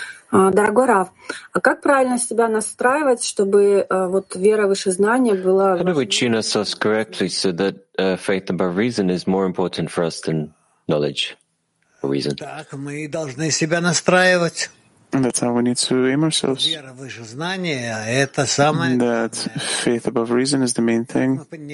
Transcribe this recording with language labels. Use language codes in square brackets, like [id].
[ru] Дорогой Рав, а как правильно себя настраивать, чтобы вот вера выше знания была? [en] How do we tune ourselves correctly so that faith above reason is more important for us than knowledge or reason? [ru] Так мы должны себя настраивать. [en] And that's how we need to aim ourselves. That faith above reason is the main thing.